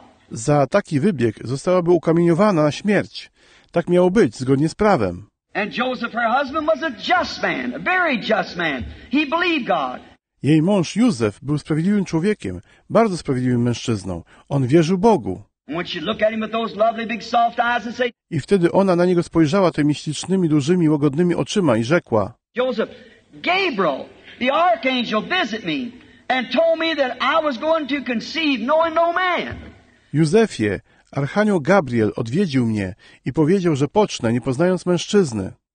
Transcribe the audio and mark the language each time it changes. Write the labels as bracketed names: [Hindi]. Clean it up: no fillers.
[Polish] Za taki wybieg zostałaby ukamieniowana na śmierć. Tak miało być, zgodnie z prawem. [English] And Joseph, her husband, was a just man, a very just man. He believed God. [Polish] Jej mąż Józef był sprawiedliwym człowiekiem, bardzo sprawiedliwym mężczyzną. On wierzył Bogu. [English] When she looked at him with those lovely big soft eyes and said, [Polish] i wtedy ona na niego spojrzała tymi ślicznymi, dużymi, łagodnymi oczyma i rzekła, [English] Joseph, Gabriel, the archangel, visit me and told me that I was going to conceive knowing no man. [Polish] Józefie, Archanioł Gabriel odwiedził mnie i powiedział, że pocznę, nie poznając mężczyzny.